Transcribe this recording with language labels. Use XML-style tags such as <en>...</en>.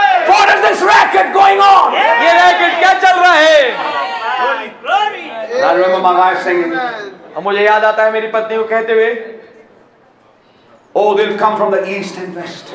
<en>What is this racket going on?</en> <hi>ये racket क्या चल रहा है</hi> <en>I remember my wife singing.</en> <hi>और मुझे याद आता है मेरी पत्नी को कहते हुए</hi> <en>Oh, they'll come from the east and west.</en>